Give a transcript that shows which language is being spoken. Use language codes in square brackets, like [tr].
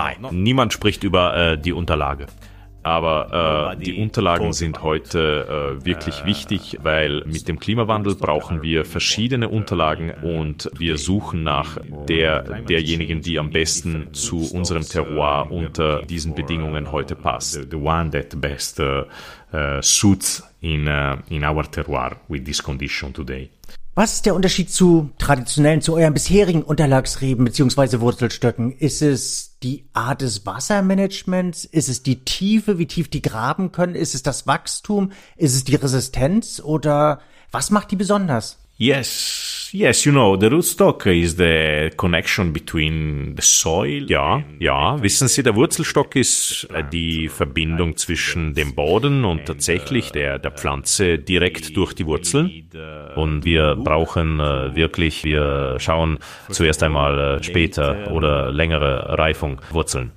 [de] niemand spricht über die Unterlage. Aber die Unterlagen sind heute wirklich wichtig, weil mit dem Klimawandel brauchen wir verschiedene Unterlagen und wir suchen nach derjenigen, die am besten zu unserem Terroir unter diesen Bedingungen heute passt. [en] The one that best suits in our terroir with this condition today. [de] Was ist der Unterschied zu traditionellen, zu euren bisherigen Unterlagsreben bzw. Wurzelstöcken? Ist es die Art des Wassermanagements? Ist es die Tiefe, wie tief die graben können? Ist es das Wachstum? Ist es die Resistenz? Oder was macht die besonders? [en] Yes. Yes, you know, the rootstock is the connection between the soil. [de] Ja, ja, wissen Sie, der Wurzelstock ist die Verbindung zwischen dem Boden und tatsächlich der Pflanze direkt durch die Wurzeln. Und wir brauchen wirklich, wir schauen zuerst einmal später oder längere Reifung Wurzeln.